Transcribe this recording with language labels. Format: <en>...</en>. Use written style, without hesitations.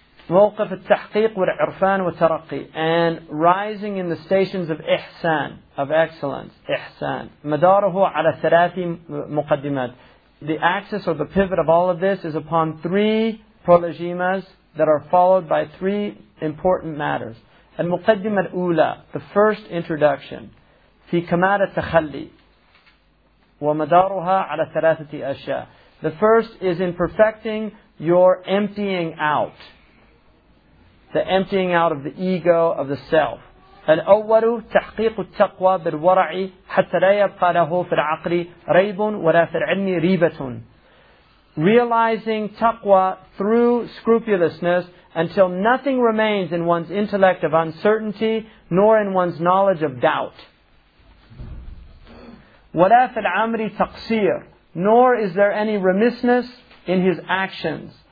<ar>موقف التحقيق والعرفان والترقي,</ar> <en>and rising in the stations of ihsan, of excellence, ihsan.</en> <ar>مداره على ثلاث مقدمات.</ar> <en>The axis or the pivot of all of this is upon three prolegomenas that are followed by three important matters.</en> <ar>المقدمة الأولى,</ar> <en>the first introduction.</en> <ar>في كمال التخلي. ومدارها على ثلاثة أشياء.</ar> <en>The first is in perfecting your emptying out. The emptying out of the ego, of the self.</en> <ar>الأول تحقيق التقوى بالورع حتى لا يبقى له في العقل ريب ولا في العلم ريبة.</ar> <en>Realizing taqwa through scrupulousness until nothing remains in one's intellect of uncertainty nor in one's knowledge of doubt.</en> <ar>ولا في العمر تقصير,</ar> <en>nor is there any remissness in his actions.</en>